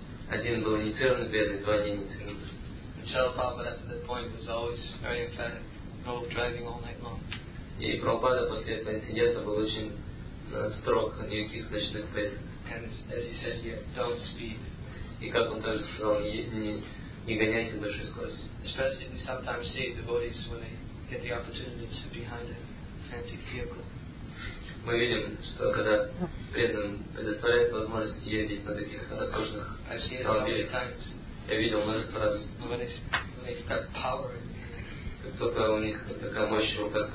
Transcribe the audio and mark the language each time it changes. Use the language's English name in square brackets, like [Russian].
[Russian] Один был инициированный преданный, два не инициированных. [English] And Shrila Prabhupada at that point was always very emphatic, no driving all night long. [Russian] И Прабхупада после этого инцидента был очень строг, никаких ночных преданных. [English] And as he said here, don't speed. [Russian] И как он также сказал, не гоняйте большой скоростью. [English] Especially sometimes see devotees when they get the opportunity to sit behind a fancy vehicle. [Russian] Мы видим, что когда преданным предоставляется возможность ездить на таких роскошных автомобилях, я видел множество раз, как только у них такая мощь в руках